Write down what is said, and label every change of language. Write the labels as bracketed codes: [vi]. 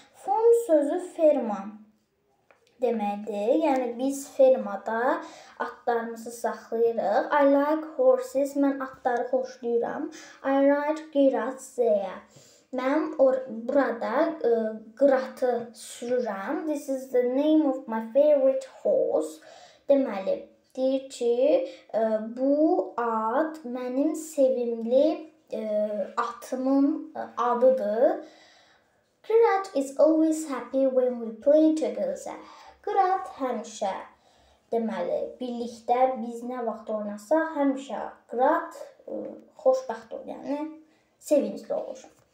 [az] Farm sözü ferma deməkdir. Yəni, biz fermada atlarımızı saxlayırıq. [en] I like horses. [az] Mən atları xoşlayıram. [en] I ride giraffes there. [az] Mən burada qıratı sürürəm. [en] This is the name of my favorite horse. [az] Deməli, deyir ki, bu ad mənim sevimli atımın adıdır. [en] Qırat is always happy when we play together. [az] Qırat həmişə, deməli, birlikdə biz nə vaxt oynasaq, həmişə qırat xoşbəxt olur, yəni sevincli olur.